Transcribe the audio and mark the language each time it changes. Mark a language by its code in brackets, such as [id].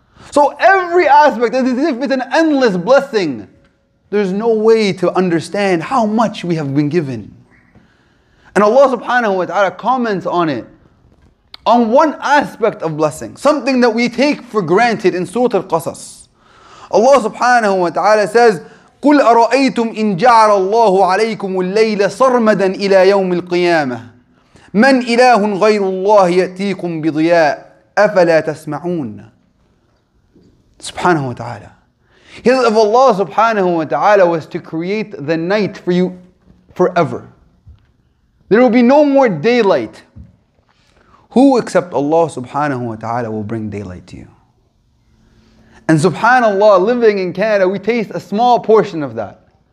[en] So every aspect, as if it's an endless blessing, there's no way to understand how much we have been given. And Allah subhanahu wa ta'ala comments on it, on one aspect of blessing, something that we take for granted in Surah Al-Qasas. [ar] Allah subhanahu wa ta'ala says, قُلْ أَرَأَيْتُمْ إِنْ جَعَلَ اللَّهُ عَلَيْكُمُ اللَّيْلَ صَرْمَدًا إِلَى يَوْمِ الْقِيَامَةِ مَنْ إِلَهٌ غَيْرُ اللَّهِ يَأْتِيكُمْ بِضِيَاءٍ أَفَلَا تَسْمَعُونَ. Subhanahu wa ta'ala. [en] If Allah subhanahu wa ta'ala was to create the night for you forever, there will be no more daylight. Who except Allah subhanahu wa ta'ala will bring daylight to you? And subhanallah, living in Canada, we taste a small portion of that.